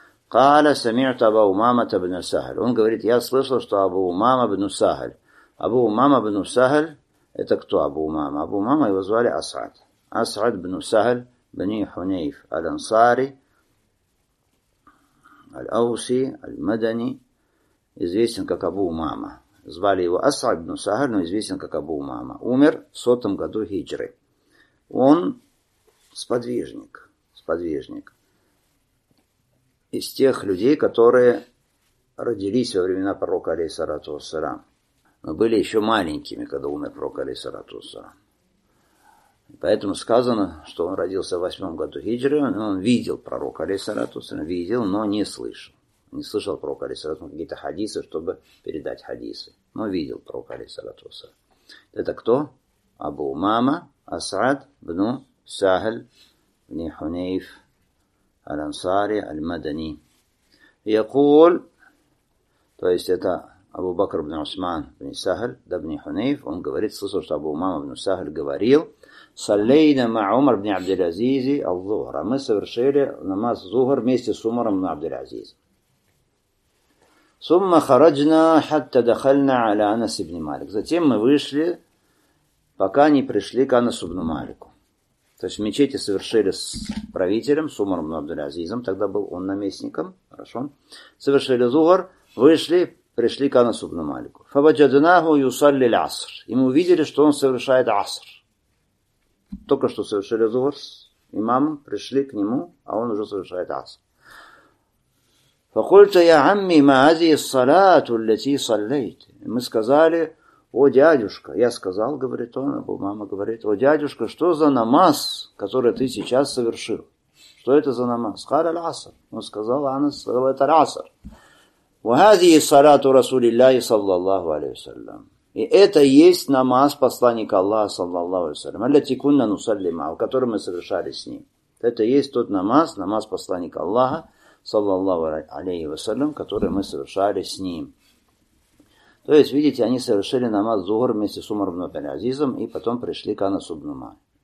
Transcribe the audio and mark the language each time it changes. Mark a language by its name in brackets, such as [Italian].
[Arabic] قال سمعت أبو أمامة بن سهل [Russian] он говорит я слышал что [Arabic] أبو أمامة بن سهل أبو أمامة بن سهل [Russian] это кто [Arabic] أبو أمامة أبو أمامة [Russian] его звали [Arabic] أسعد أسعد بن سهل بن حنيف الأنصاري الأوسي المدني [Russian] известен как [Arabic] أبو أمامة. [Russian] Звали его Ас'ад ибн Сахль, но известен как Абу Умама. Умер в 100 году хиджры. Он сподвижник. Сподвижник. Из тех людей, которые родились во времена пророка алейхиссалату вассалям. Но были еще маленькими, когда умер пророк алейхиссалату вассалям. Поэтому сказано, что он родился в 8 году хиджры. Он видел пророка алейхиссалату вассалям. Видел, но не слышал. Не слышал пророка алейхиссалату вассалям. Какие-то хадисы, чтобы передать хадисы. Но видел пророка алейхиссалату вассалям. Это кто? Абу Умама Ас'ад бну Сахль бни Хунейф Аль-Ансари Аль-Мадани. Якул, то есть это Абу Бакр бну Усман бни Сахль да бни Хунейф, он говорит, слышал, что Абу Умама бну Сахль говорил, [Arabic] саллейна ма Умар бни Абдель-Азизи Ал-Зухра. [Russian] Мы совершили намаз Зухр вместе с Умаром бну Абдель-Азизи. [Arabic] ثم خرجنا حتى دخلنا على انس بن مالك. [Russian] Затем мы вышли, пока не пришли к Анасу бину Малику. То есть в мечети совершили с правителем, с Умаром Абдул-Азизом, тогда был он наместником, хорошо. Совершили зухр, вышли, пришли к Анасу бину Малику. [Arabic] فوجدناه يصلي العصر. [Russian] И мы увидели, что он совершает аср. Только что совершили зухр с имамом, пришли к нему, а он уже совершает аср. [Arabic] فقلت يا عمي ما هذه الصلاة التي صليت. [Russian] Мы сказали, о дядюшка, я сказал, говорит он, а мама говорит, о дядюшка, что за намаз, который ты сейчас совершил? Что это за намаз? [Arabic] قال العصر. [Russian] Он сказал, она сказала, это [Arabic] العصر. وهذه صلاة رسول الله صلى الله عليه وسلم. [Russian] И это есть намаз посланника Аллаха, саллаллаху алейхи ва саллям, [Arabic] алляти кунна нусаллима, [Russian] в котором мы совершали с ним. Это есть тот намаз, намаз посланника Аллаха, саллаллаху алейхи ва саллям, который мы совершали с ним. То есть, видите, они совершили намаз зухр вместе с Умар ибн Абдул-Азизом и потом пришли к Анасу ибн Малик.